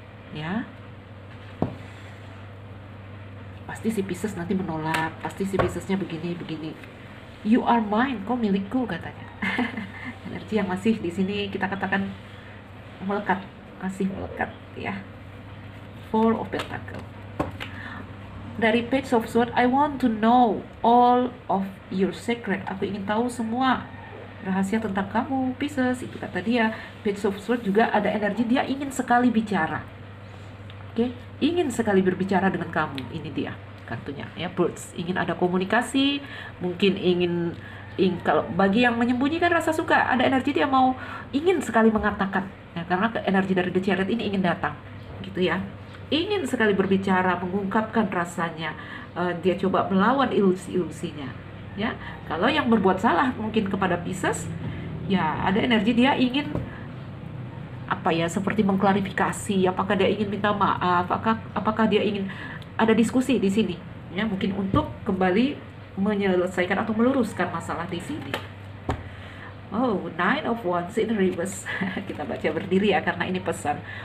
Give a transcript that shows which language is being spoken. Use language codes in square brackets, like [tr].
[id] Ya, pasti si Pisces nanti menolak, pasti si Piscesnya begini-begini. [en] You are mine, [id] kau milikku, katanya. Energi yang masih di sini kita katakan melekat, masih melekat ya. Four of Pentacles. [en] Dari Page of Swords, I want to know all of your secret. [id] Aku ingin tahu semua rahasia tentang kamu, Pisces. Itu kata dia. Page of Swords juga ada energi dia ingin sekali bicara. Oke, okay. Ingin sekali berbicara dengan kamu. Ini dia kartunya ya, birds. Ingin ada komunikasi, mungkin ingin kalau bagi yang menyembunyikan rasa suka, ada energi dia mau ingin sekali mengatakan. Ya, karena energi dari The Chariot ini ingin datang. Gitu ya. Ingin sekali berbicara, mengungkapkan rasanya. Dia coba melawan ilusi-ilusinya. Ya. Kalau yang berbuat salah mungkin kepada Pisces, ya ada energi dia ingin apa ya, seperti mengklarifikasi, apakah dia ingin minta maaf, apakah dia ingin ada diskusi di sini ya, mungkin untuk kembali menyelesaikan atau meluruskan masalah di sini. Oh, Nine of Wands in Reverse. Kita baca berdiri ya, karena ini pesan.